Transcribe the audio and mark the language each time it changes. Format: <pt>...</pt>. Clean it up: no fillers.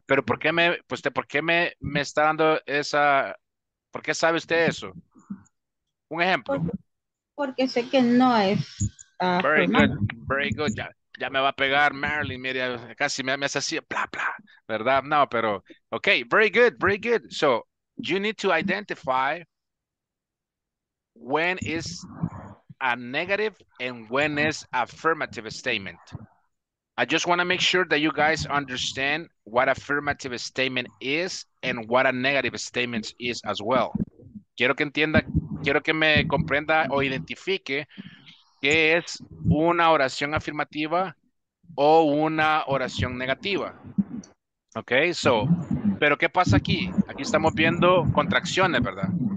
<es>Pero ¿por qué me, pues, ¿por qué me está dando esa, por qué sabe usted eso? Un ejemplo. Porque sé que no es.</es> <en>Very good, very good.</en> <es>Ya me va a pegar Marilyn, mira, casi me hace así, bla, bla, ¿verdad? No, pero,</es> <en>okay, very good, very good. So, you need to identify when is a negative and when is affirmative statement. I just want to make sure that you guys understand what affirmative statement is and what a negative statement is as well.</en> <es>Quiero que entienda, quiero que me comprenda o identifique qué es una oración afirmativa o una oración negativa. Okay, so, pero ¿qué pasa aquí? Aquí estamos viendo contracciones, ¿verdad?</es>